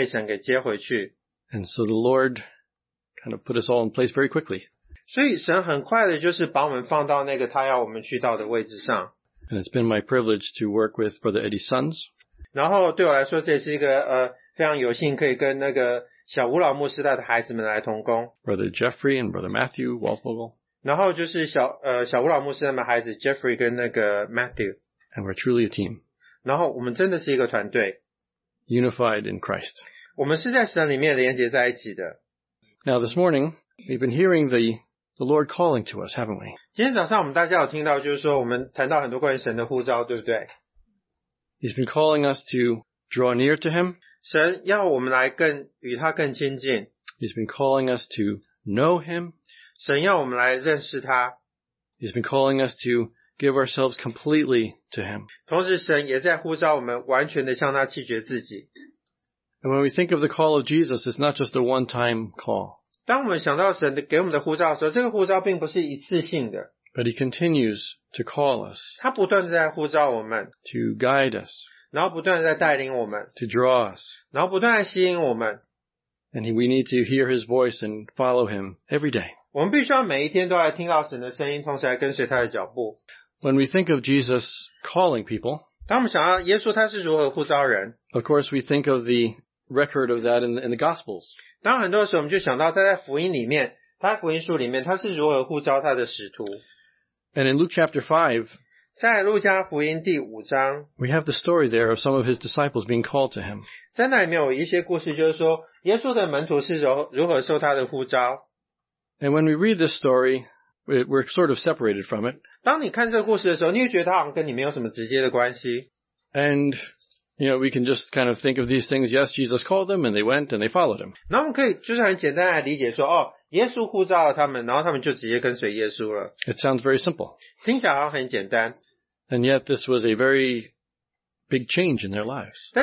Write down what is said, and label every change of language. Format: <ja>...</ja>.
<zh>然后小吴老牧师就是我们没有预期他会那么早就是被神给接回去。</zh> <en>And so the Lord kind of put us all in place very quickly.</en> <zh>所以神很快的就是把我们放到那个他要我们去到的位置上。</zh> <en>And it's been my privilege to work with Brother Eddie's sons.</en> <zh>然后对我来说这也是一个非常有幸可以跟那个小吴老牧师带的孩子们来同工。Brother</zh> <en>Jeffrey and Brother Matthew Waldfogel.</en> <zh>然后就是小吴老牧师他们孩子 Jeffrey 跟那个 Matthew.</zh> <en>And we're truly a team.</en> <zh>然后我们真的是一个团队。</zh> <en>Unified in Christ. Now this morning, we've been hearing the Lord calling to us, haven't we?</en> <zh>今天早上我们大家有听到，就是说我们谈到很多关于神的呼召，对不对？</zh> <en>He's been calling us to draw near to Him.</en> <zh>神要我们来更与他更亲近。</zh> <en>He's been calling us to know Him.</en> <zh>神要我们来认识他。</zh> <en>He's been calling us to give ourselves completely to Him.</en> <zh>同时神也在呼召我们完全地向他弃绝自己。</zh> <en>And when we think of the call of Jesus, it's not just a one-time call.</en> <zh>当我们想到神给我们的呼召的时候，这个呼召并不是一次性的。</zh> <en>But He continues to call us.</en> <zh>祂不断地在呼召我们,</zh> <en>to guide us.</en> <zh>然后不断地在带领我们,</zh> <en>to draw us.</en> <zh>然后不断地吸引我们,</zh> <en>and we need to hear His voice and follow Him every day.</en> <zh>我们必须要每一天都来听到神的声音，同时来跟随祂的脚步。</zh> <en>When we think of Jesus calling people,</en> <zh>当我们想到耶稣祂是如何呼召人,</zh> <en>of course, we think of the record of that in the Gospels.</en> <zh>当很多时候我们就想到祂在福音里面, 他福音书里面他是如何呼召他的使徒。</zh> <en>And in Luke chapter 5,</en> <zh>在路加福音第五章,</zh> <en>we have the story there of some of his disciples being called to him.</en> <zh>在那里面有一些故事，就是说耶稣的门徒是如何受他的呼召。</zh> <en>And when we read this story, we're sort of separated from it.</en> <zh>当你看这个故事的时候，你会觉得他好像跟你没有什么直接的关系。</zh> <en>And you know, we can just kind of think of these things. Yes, Jesus called them and they went and they followed him.</en> <zh>那我们可以就是很简单来理解说，哦， 耶稣呼召了他们，然后他们就直接跟随耶稣了。</zh> <en>It sounds very simple.</en> <zh>听起来好像很简单。</zh> <en>And yet this was a very big change in their lives.</en>